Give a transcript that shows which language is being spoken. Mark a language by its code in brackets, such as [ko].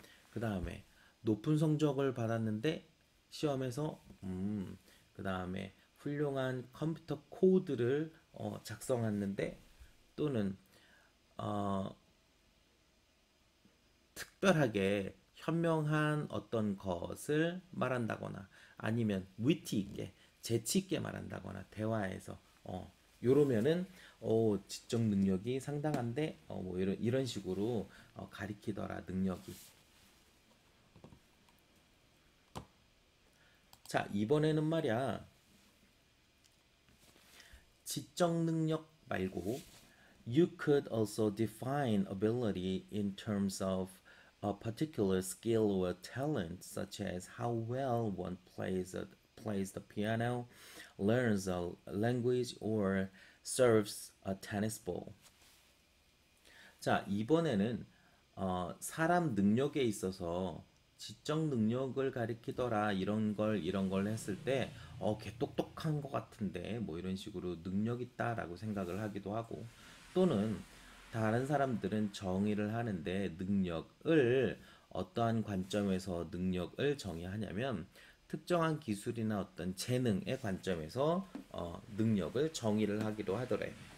[ko] 그 다음에, 높은 성적을 받았는데, 시험에서 그다음에 훌륭한 컴퓨터 코드를 작성하는데 또는 특별하게 현명한 어떤 것을 말한다거나 아니면 위트 있게 재치 있게 말한다거나 대화에서 요러면은 지적 능력이 상당한데 뭐 이런 식으로 가리키더라 능력이. 자, 이번에는 말이야, 지적 능력 말고, [en] you could also define ability in terms of a particular skill or talent, such as how well one plays the piano, learns a language, or serves a tennis ball. [ko] 자, 이번에는, 사람 능력에 있어서, 지적 능력을 가리키더라 이런 걸 했을 때어걔 똑똑한 것 같은데 뭐 이런 식으로 능력 있다라고 생각을 하기도 하고 또는 다른 사람들은 정의를 하는데 능력을 어떠한 관점에서 능력을 정의하냐면 특정한 기술이나 어떤 재능의 관점에서 능력을 정의를 하기도 하더래.